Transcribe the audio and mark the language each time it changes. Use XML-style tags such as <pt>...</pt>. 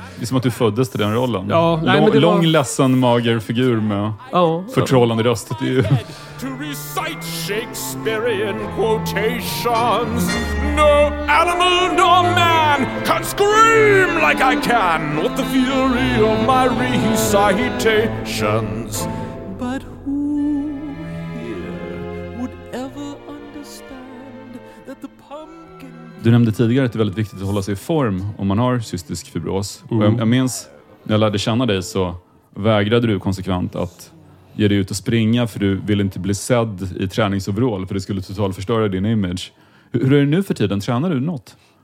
<sv>Det är som att du föddes till den rollen. Ja, lång, ledsen, mager figur med förtrollande röst. Det är ju...</sv> <en>To recite Shakespearean quotations. No animal nor man can scream like I can with the fury of my recitations. But who here would ever understand that the pumpkin...</en> <sv>Du nämnde tidigare att det är väldigt viktigt att hålla sig i form om man har cystisk fibros. Mm. Och jag minns, när jag lärde känna dig så vägrade du konsekvent att ge dig ut och springa för du vill inte bli sedd i träningsoverall för det skulle totalt förstöra din image. Hur är det nu för tiden? Tränar du något?</sv>